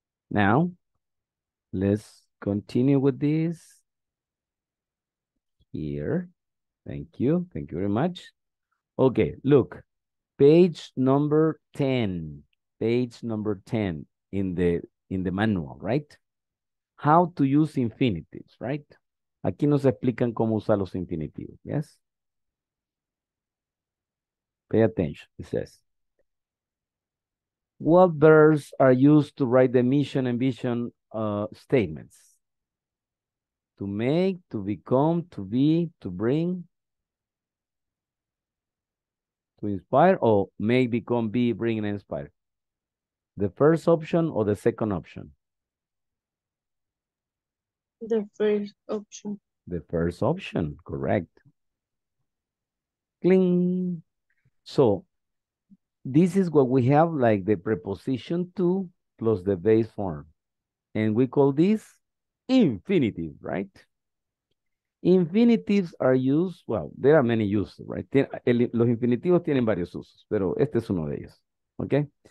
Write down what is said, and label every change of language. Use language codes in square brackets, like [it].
[en] Now, let's continue with this here. Thank you. Thank you very much. Okay, look, page number 10 in the manual, right? How to use infinitives, right? [es] Aquí nos explican cómo usar los infinitivos, yes? [en] Pay attention, it says. What verbs are used to write the mission and vision statements? To make, to become, to be, to bring, to inspire, or make, become, be, bring, and inspire? The first option or the second option? The first option. The first option, correct. Cling. So, this is what we have, like the preposition to plus the base form. And we call this infinitive, right? Infinitives are used, well, there are many uses, right? [es] Los infinitivos tienen varios usos, pero este es uno de ellos, okay?